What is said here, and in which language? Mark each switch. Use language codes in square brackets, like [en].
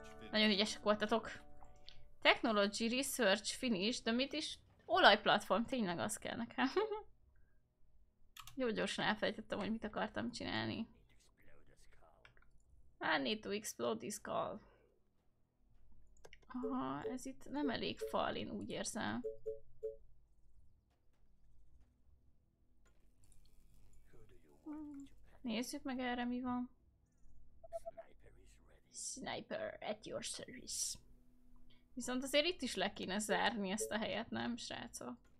[hu] Nagyon ügyesek voltatok. [en] Technology research finish, [hu] de mit is? Olajplatform, tényleg az kell nekem. Jó gyorsan elfelejtettem, hogy mit akartam csinálni. [en] I need to explode this call. [hu] Aha, ez itt nem elég fal, én úgy érzem. Nézzük meg erre, mi van. [en] Sniper at your service. [hu] Viszont azért itt is le kéne zárni ezt a helyet, nem, srácok?